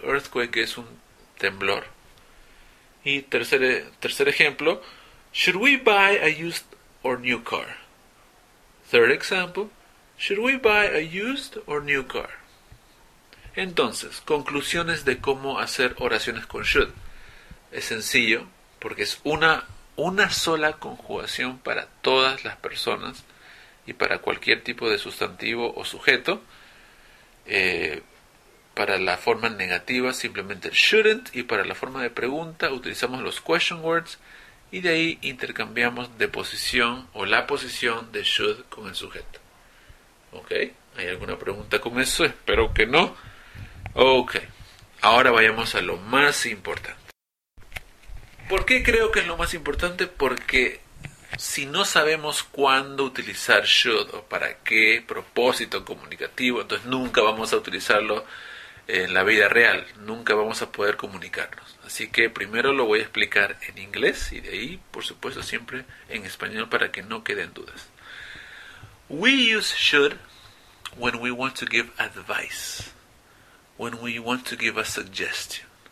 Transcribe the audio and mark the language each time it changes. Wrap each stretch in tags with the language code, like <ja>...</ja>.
<es>Earthquake es un temblor. Y tercer ejemplo.</es> <en>Should we buy a used or new car? Third example. Should we buy a used or new car?</en> <es>Entonces, conclusiones de cómo hacer oraciones con should. Es sencillo, porque es una sola conjugación para todas las personas y para cualquier tipo de sustantivo o sujeto. Para la forma negativa, simplemente el shouldn't, y para la forma de pregunta, utilizamos los question words. Y de ahí intercambiamos de posición o la posición de should con el sujeto. ¿Ok? ¿Hay alguna pregunta con eso? Espero que no. Ok. Ahora vayamos a lo más importante. ¿Por qué creo que es lo más importante? Porque si no sabemos cuándo utilizar should o para qué propósito comunicativo, entonces nunca vamos a utilizarlo en la vida real, nunca vamos a poder comunicarnos. Así que primero lo voy a explicar en inglés y de ahí, por supuesto, siempre en español para que no queden dudas.</es> <en>We use should when we want to give advice, when we want to give a suggestion.</en>